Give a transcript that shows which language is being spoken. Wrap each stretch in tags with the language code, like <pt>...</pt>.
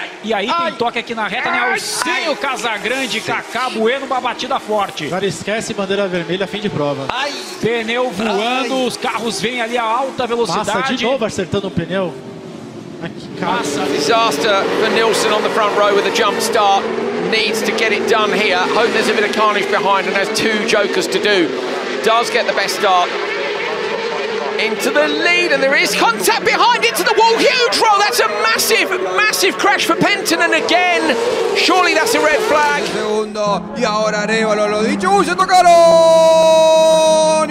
<pt>E aí tem toque aqui na reta, né? Alcinho Casagrande, Cacá Bueno, uma batida forte. Agora esquece bandeira vermelha, fim de prova. Pneu voando, os carros vêm ali a alta velocidade. Passa de novo acertando o pneu.</pt> <en>Disaster for Nielsen on the front row with a jump start. Needs to get it done here. Hope there's a bit of carnage behind and has two jokers to do. Does get the best start. Into the lead, and there is contact behind, into the wall, huge roll. That's a massive, massive crash for Penton, and again, surely that's a red flag.</en> <es>Segundo, y ahora Arévalo, lo dicho, ¡uy, se tocaron!</es>